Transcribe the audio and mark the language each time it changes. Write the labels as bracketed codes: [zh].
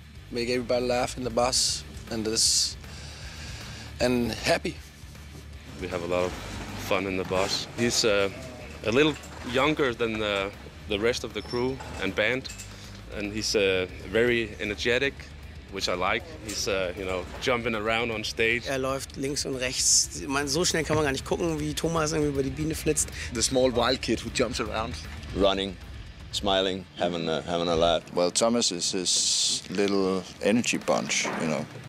[en] Make everybody laugh in the bus and happy. We have a lot of fun in the bus. He's a little younger than the rest of the crew and band, and he's very energetic, which I like. He's jumping around on stage. [de] Er läuft links und rechts. Man, so schnell kann man gar nicht gucken, wie Thomas irgendwie über die Biene flitzt. [en] The small wild kid who jumps around, running, smiling, having a laugh. Well, Thomas is his little energy bunch, you know.